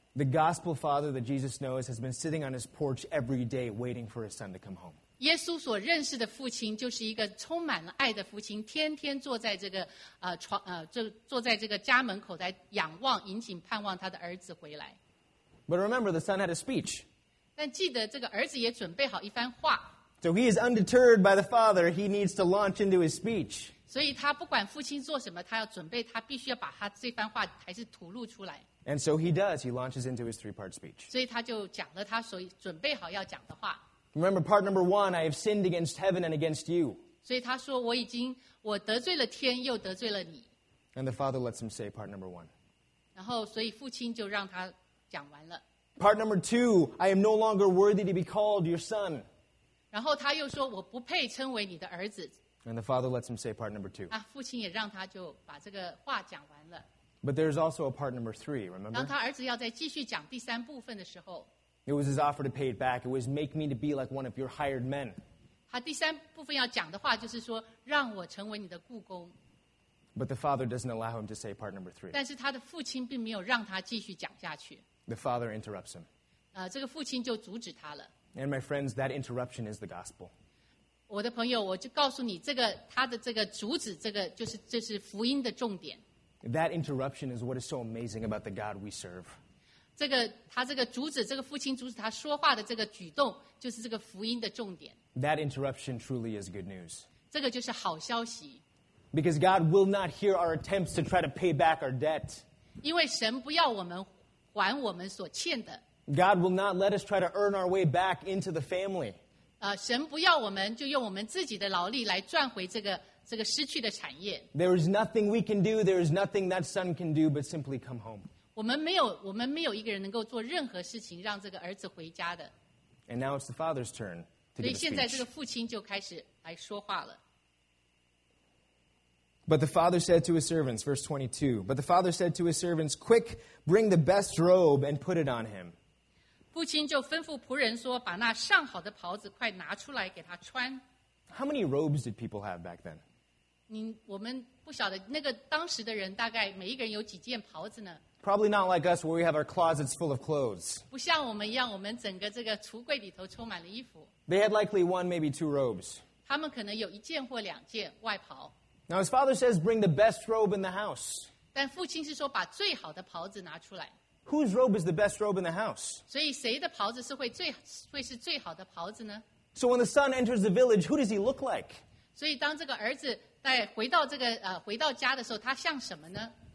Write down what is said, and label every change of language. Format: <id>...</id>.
<en>The gospel father that Jesus knows has been sitting on his porch every day waiting for his son to come home.</en> <zh>耶稣所认识的父亲就是一个充满了爱的父亲，天天坐在这个坐在这个家门口在仰望，引颈盼望他的儿子回来。</zh> <en>But remember, the son had a speech.</en> <zh>但记得这个儿子也准备好一番话。</zh> <en>So he is undeterred by the father. He needs to launch into his speech.</en> <zh>所以他不管父亲做什么，他要准备，他必须要把他这番话还是吐露出来。</zh> <en>And so he does. He launches into his three-part speech.</en> <zh>所以他就讲了他所准备好要讲的话。</zh> <en>Remember, part number one, I have sinned against heaven and against you.</en> <zh>所以他说我得罪了天，又得罪了你。</zh> <en>And the father lets him say part number one.</en> <zh>然后所以父亲就让他讲完了。</zh> <en>Part number two, I am no longer worthy to be called your son.</en> <zh>然后他又说我不配称为你的儿子。</zh> <en>And the father lets him say part number two.</en> <zh>父亲也让他就把这个话讲完了。</zh> <en>But there's also a part number three, remember?</en> <zh>当他儿子要再继续讲第三部分的时候。</zh> <en>It was his offer to pay it back. It was make me to be like one of your hired men.</en> <zh>他第三部分要讲的话就是说让我成为你的雇工。</zh> <en>But the father doesn't allow him to say part number three.</en> <zh>但是他的父亲并没有让他继续讲下去。</zh> <en>The father interrupts him.</en> <zh>这个父亲就阻止他了。</zh> <en>And my friends, that interruption is the gospel.</en> <zh>我的朋友，我就告诉你，这个他的这个阻止，这个就是福音的重点。</zh> <en>That interruption is what is so amazing about the God we serve.</en> <zh>这个他这个阻止，这个父亲阻止他说话的这个举动，就是这个福音的重点。</zh> <en>That interruption truly is good news.</en> <zh>这个就是好消息。</zh> <en>Because God will not hear our attempts to try to pay back our debt.</en> <zh>因为神不要我们还我们所欠的。</zh> <en>God will not let us try to earn our way back into the family.</en> <zh>神不要我们就用我们自己的劳力来赚回这个失去的产业。</zh> <en>There is nothing we can do, there is nothing that son can do but simply come home.</en> <zh>我们没有一个人能够做任何事情让这个儿子回家的。</zh> <en>And now it's the father's turn to give a speech.</en> <zh>所以现在这个父亲就开始来说话了。</zh> <en>But the father said to his servants, verse 22, But the father said to his servants, Quick, bring the best robe and put it on him.</en> <zh>父亲就吩咐仆人说，把那上好的袍子快拿出来给他穿。</zh> <en>How many robes did people have back then?</en> <zh>我们不晓得，那个当时的人大概每一个人有几件袍子呢？</zh> <en>Probably not like us where we have our closets full of clothes.</en> <zh>不像我们一样，我们整个这个橱柜里头充满了衣服。</zh> <en>They had likely one, maybe two robes.</en> <zh>他们可能有一件或两件外袍。</zh> <en>Now his father says, bring the best robe in the house.</en> <zh>但父亲是说把最好的袍子拿出来。</zh> <en>Whose robe is the best robe in the house?</en> <zh>所以谁的袍子是会是最好的袍子呢？</zh> <en>So when the son enters the village, who does he look like?</en> <zh>所以当这个儿子在回到家的时候，他像什么呢？</zh>